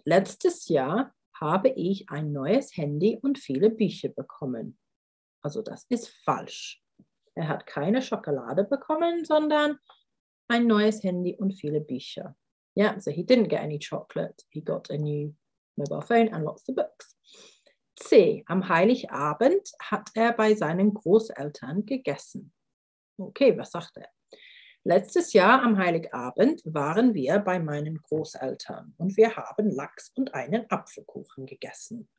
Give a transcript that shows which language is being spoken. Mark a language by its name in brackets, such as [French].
[German] Letztes Jahr habe ich ein neues Handy und viele Bücher bekommen. Also, das ist falsch. Er hat keine Schokolade bekommen, sondern ein neues Handy und viele Bücher. [English] Yeah, so he didn't get any chocolate. He got a new mobile phone and lots of books. C. [German] Am Heiligabend hat er bei seinen Großeltern gegessen. Okay, was sagt er? Letztes Jahr am Heiligabend waren wir bei meinen Großeltern und wir haben Lachs und einen Apfelkuchen gegessen.